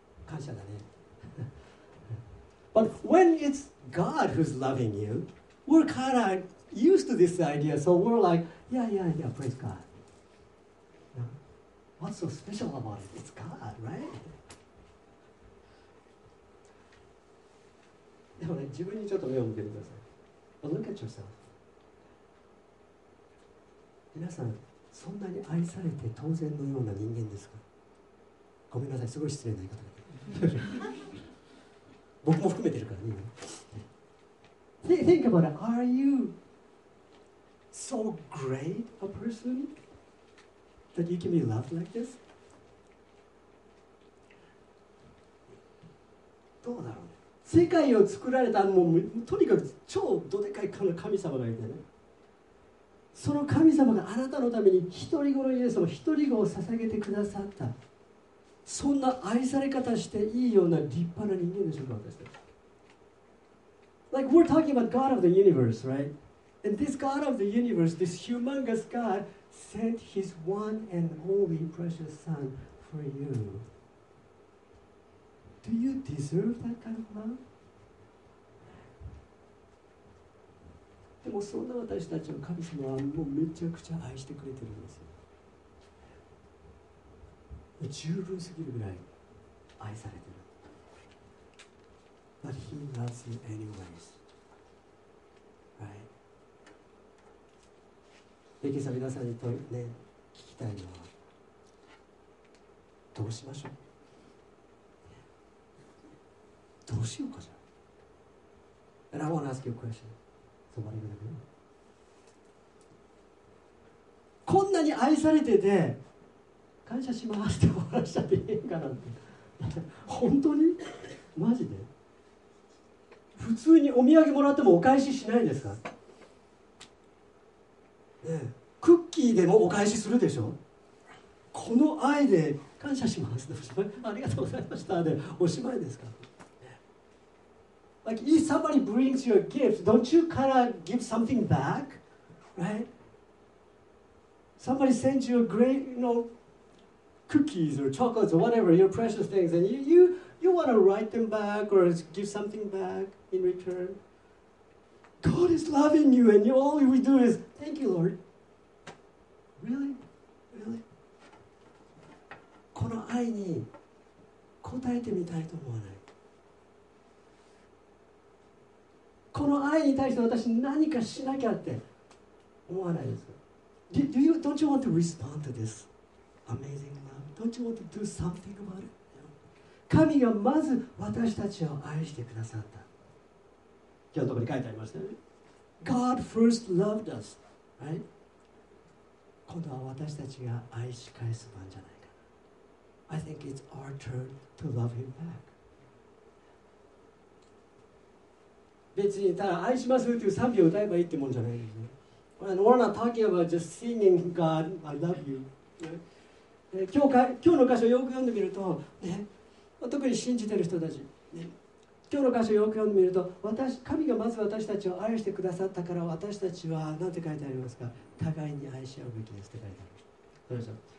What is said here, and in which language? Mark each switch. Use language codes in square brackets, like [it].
[ja] 感謝だね。 [en] But when it's God who's loving you, we're kind of used to this idea, so we're like, yeah, yeah, yeah, praise God. What's so special about it? It's God, right? [ja] でもね、自分にちょっと目を向けてください。 [en] But look at yourself. [ja] 皆さん、そんなに愛されて当然のような人間ですか？ごめんなさい、すごい失礼な言い方。僕も含めてるからね。 [en] Think about it. Are you so great a person that you can be loved like this? [ja] どうだろうね。世界を作られたのもとにかく超どでかい神様がいてね。その神様があなたのために一人子のイエスを一人子を捧げてくださった。そんな愛され方していいような立派な人間でしょうか私たち。 [en] Like we're talking about God of the universe, right? And this God of the universe, this humongous God, sent His one and only precious Son for you. Do you deserve that kind of love? [ja] でもそんな私たちの神様はもうめちゃくちゃ愛してくれてるんですよ。十分すぎるぐらい愛されてる。 [en] But He loves you anyways. Right? [ja] ベキさん、皆さんにとね、聞きたいのは、どうしましょう？どうしようかじゃん。 [en] And I want to ask you a question. [ja] こんなに愛されてて感謝しますって終わらしちゃっていいんかなって本当にマジで普通にお土産もらってもお返ししないんですか、ね、クッキーでもお返しするでしょこの愛で感謝しますっておありがとうございましたでおしまいですか [en] Like, if somebody brings you a gift, don't you kind of give something back, right? Somebody sends you a great, you know, cookies or chocolates or whatever, your precious things, and you want to write them back or give something back in return. God is loving you, and all we do is, thank you, Lord. Really? Really? [ja] この愛に答えてみたいと思わない? この愛に対して私何かしなきゃって思わないです。 [en] Don't you want to respond to this amazing love? Don't you want to do something about it? [ja] 神がまず私たちを愛してくださった。今日のところに書いてありましたね。 [en] God first loved us, right? [ja] 今度は私たちが愛し返す番じゃないかな。 [en] I think it's our turn to love him back. [ja] 別にただ愛しますっていう賛美を歌えばいいってもんじゃないですね。 [en] And we're not talking about just singing God, I love you.、 [ja] ね、今日の歌詞をよく読んでみると、ね、特に信じてる人たち、ね、今日の歌詞をよく読んでみると私、神がまず私たちを愛してくださったから私たちは、なんて書いてありますか、互いに愛し合うべきですって書いてある。